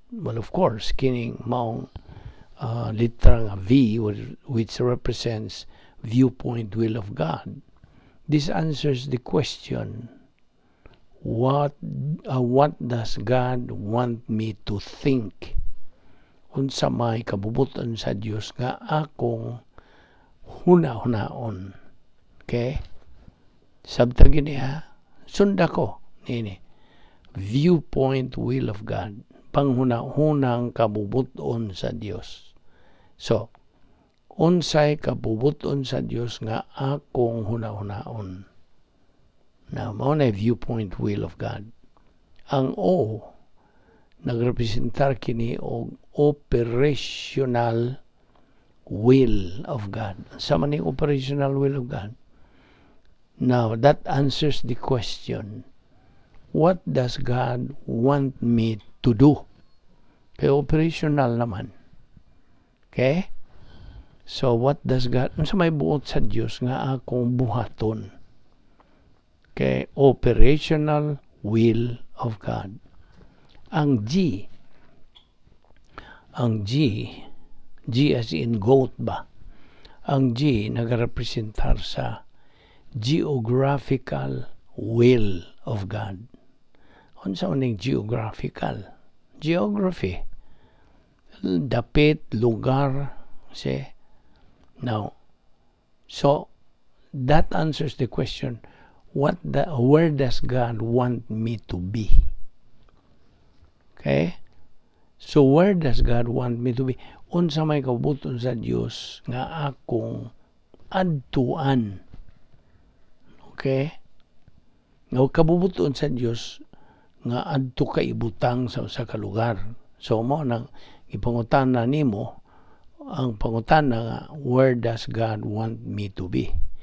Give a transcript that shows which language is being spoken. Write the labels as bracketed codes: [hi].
[ceb] Well, of course, kining maong litra nga V, [en] which represents viewpoint will of God. This answers the question, what does God want me to think? [ceb] Unsa may kabubuton sa Dios nga akong huna-hunaon? Okay? Sabtag ini ha? Sunda ko nini. [en] Viewpoint will of God, [ceb] panghunahunang kabubuton sa Dios. So, unsay kabubuton sa Dios nga akong hunahunaon? [en] Now, [ceb] mao na [en] viewpoint will of God. [ceb] Ang O nagrepresentar kini og [en] operational will of God. [ceb] Sa mani [en] operational will of God. Now, that answers the question. What does God want me to do? Okay, operational naman. Okay? So, what does God... [ceb] Sa may buot sa Diyos nga akong buhaton. [en] Okay? Operational will of God. [ceb] Ang G as in goat ba? Ang G nagrepresentar sa geographical [en] will of God. [ceb] Unsa uning [en] geographical? Geography. [ceb] Dapit, lugar. [en] See? Now, so, that answers the question, where does God want me to be? Okay? So, where does God want me to be? [ceb] Unsa may kabuton sa Dios nga akong adtuan? Okay? Nga kabuton sa Dios nga adto ka ibutang sa usa ka lugar. So, mo nang ipangutana nimo ang pangutana nga, [en] where does God want me to be?